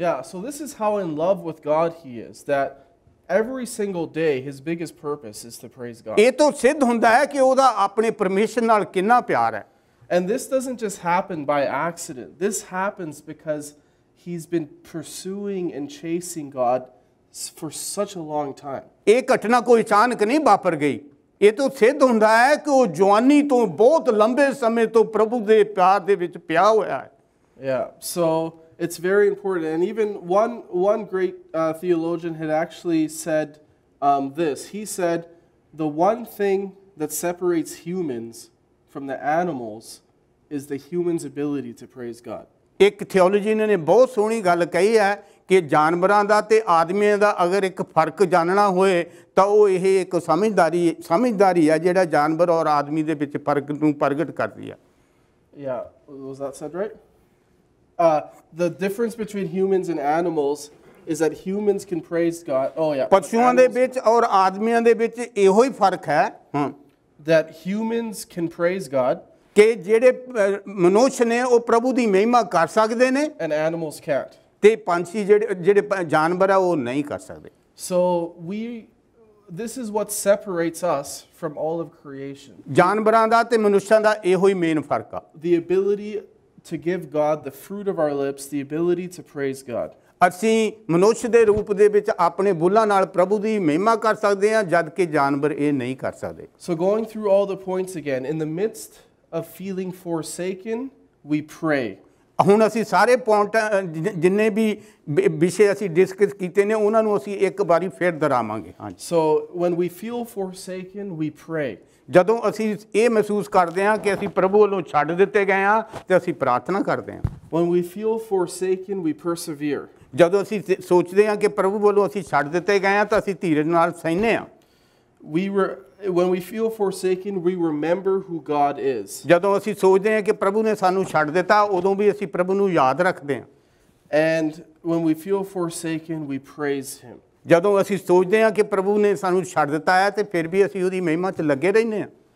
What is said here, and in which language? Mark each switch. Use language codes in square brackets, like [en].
[en] Yeah, so this is how in love with God he is, that every single day his biggest purpose is to praise God. [pa] ਇਹ ਤਾਂ ਸਿੱਧ ਹੁੰਦਾ ਹੈ ਕਿ ਉਹਦਾ ਆਪਣੇ ਪਰਮੇਸ਼ਰ ਨਾਲ ਕਿੰਨਾ ਪਿਆਰ ਹੈ. [en] And this doesn't just happen by accident. This happens because he's been pursuing and chasing God for such a long time. [pa] ਇਹ ਘਟਨਾ ਕੋਈ ਅਚਾਨਕ ਨਹੀਂ ਵਾਪਰ ਗਈ. ਇਹ ਤਾਂ ਸਿੱਧ ਹੁੰਦਾ ਹੈ ਕਿ ਉਹ ਜਵਾਨੀ ਤੋਂ ਬਹੁਤ ਲੰਬੇ ਸਮੇਂ ਤੋਂ ਪ੍ਰਭੂ ਦੇ ਪਿਆਰ ਦੇ ਵਿੱਚ ਪਿਆ ਹੋਇਆ ਹੈ. [en] Yeah, so it's very important. And even one great theologian had actually said this. He said, the one thing that separates humans from the animals is the human's ability to praise God. [pa] ਇੱਕ ਥਿਓਲੋਜੀ ਨੇ ਬਹੁਤ ਸੋਹਣੀ ਗੱਲ ਕਹੀ ਹੈ ਕਿ ਜਾਨਵਰਾਂ ਦਾ ਤੇ ਆਦਮੀਆਂ ਦਾ ਅਗਰ ਇੱਕ ਫਰਕ ਜਾਣਨਾ ਹੋਏ ਤਾਂ ਉਹ ਇਹ ਇੱਕ ਸਮਝਦਾਰੀ ਹੈ ਜਿਹੜਾ ਜਾਨਵਰ ਔਰ ਆਦਮੀ ਦੇ ਵਿੱਚ ਫਰਕ ਨੂੰ ਪ੍ਰਗਟ ਕਰਦੀ ਆ. [en] Yeah, was that said right? The difference between humans and animals is that humans can praise God. Oh yeah. [pa] ਪਸ਼ੂਆਂ ਦੇ ਵਿੱਚ ਔਰ ਆਦਮੀਆਂ ਦੇ ਵਿੱਚ ਇਹੋ ਹੀ ਫਰਕ ਹੈ. [en] That humans can praise God. [pa] ਕਿ ਜਿਹੜੇ ਮਨੁੱਖ ਨੇ ਉਹ ਪ੍ਰਭੂ ਦੀ ਮਹਿਮਾ ਕਰ ਸਕਦੇ ਨੇ. [en] And animals can't. [pa] ਤੇ ਪੰਛੀ ਜਿਹੜੇ ਜਾਨਵਰ ਆ ਉਹ ਨਹੀਂ ਕਰ ਸਕਦੇ. [en] So this is what separates us from all of creation. [pa] ਜਾਨਵਰਾਂ ਦਾ ਤੇ ਮਨੁੱਖਾਂ ਦਾ ਇਹੋ ਹੀ ਮੇਨ ਫਰਕ ਆ. [en] The ability to give God the fruit of our lips, the ability to praise God. [pa] ਅਸੀਂ ਮਨੁੱਖ ਦੇ ਰੂਪ ਦੇ ਵਿੱਚ ਆਪਣੇ ਬੁੱਲਾਂ ਨਾਲ ਪ੍ਰਭੂ ਦੀ ਮਹਿਮਾ ਕਰ ਸਕਦੇ ਹਾਂ ਜਦਕਿ ਜਾਨਵਰ ਇਹ ਨਹੀਂ ਕਰ ਸਕਦੇ. [en] So going through all the points again, in the midst of feeling forsaken, we pray. [pa] ਹੁਣ ਅਸੀਂ ਸਾਰੇ ਪੁਆਇੰਟ ਜਿੰਨੇ ਵੀ ਵਿਸ਼ੇ ਅਸੀਂ ਡਿਸਕਸ ਕੀਤੇ ਨੇ ਉਹਨਾਂ ਨੂੰ ਅਸੀਂ ਇੱਕ ਵਾਰੀ ਫਿਰ ਦੁਹਰਾਵਾਂਗੇ. ਹਾਂਜੀ. [en] So when we feel forsaken, we pray. [pa] ਜਦੋਂ ਅਸੀਂ ਇਹ ਮਹਿਸੂਸ ਕਰਦੇ ਹਾਂ ਕਿ ਅਸੀਂ ਪ੍ਰਭੂ ਵੱਲੋਂ ਛੱਡ ਦਿੱਤੇ ਗਏ ਹਾਂ ਤੇ ਅਸੀਂ ਪ੍ਰਾਰਥਨਾ ਕਰਦੇ ਹਾਂ. [en] When we feel forsaken, we persevere. [pa] ਜਦੋਂ ਅਸੀਂ ਸੋਚਦੇ ਹਾਂ ਕਿ ਪ੍ਰਭੂ ਵੱਲੋਂ ਅਸੀਂ ਛੱਡ ਦਿੱਤੇ ਗਏ ਹਾਂ ਤਾਂ ਅਸੀਂ ਧੀਰਜ ਨਾਲ ਸਹਿੰਦੇ ਹਾਂ. [en] We were When we feel forsaken, we remember who God is. [pa] ਜਦੋਂ ਅਸੀਂ ਸੋਚਦੇ ਹਾਂ ਕਿ ਪ੍ਰਭੂ ਨੇ ਸਾਨੂੰ ਛੱਡ ਦਿੱਤਾ, ਉਦੋਂ ਵੀ ਅਸੀਂ ਪ੍ਰਭੂ ਨੂੰ ਯਾਦ ਰੱਖਦੇ ਹਾਂ. [en] And when we feel forsaken, we praise him. [pa] ਜਦੋਂ ਅਸੀਂ ਸੋਚਦੇ ਹਾਂ ਕਿ ਪ੍ਰਭੂ ਨੇ ਸਾਨੂੰ ਛੱਡ ਦਿੱਤਾ ਹੈ, ਤੇ ਫਿਰ ਵੀ ਅਸੀਂ ਉਹਦੀ ਮਹਿਮਾ 'ਚ ਲੱਗੇ ਰਹਿੰਦੇ ਹਾਂ.